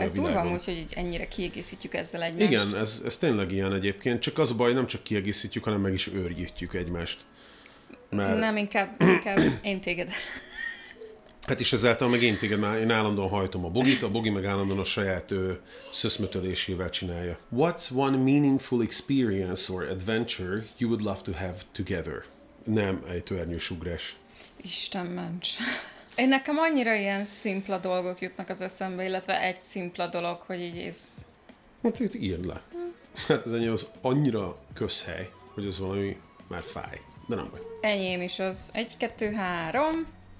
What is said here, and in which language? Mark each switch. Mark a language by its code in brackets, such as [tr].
[hu] Ez durva, úgyhogy ennyire kiegészítjük ezzel egymást. Igen, ez tényleg ilyen egyébként, csak az a baj, nem csak kiegészítjük, hanem meg is őrjítjük egymást. Mert... Nem, inkább én téged. Hát és ezáltal meg én téged már, én állandóan hajtom a bogi meg állandóan a saját szöszmötölésével csinálja. [en] What's one meaningful experience or adventure you would love to have together? [hu] Nem, egy tőernyős ugrás. Isten ments. Én nekem annyira ilyen szimpla dolgok jutnak az eszembe, illetve egy szimpla dolog, hogy így ez... Hát itt írd le. Hát ez ennyi az annyira közhely, hogy ez valami már fáj. De nem baj. Enyém is az. 1, 2, 3.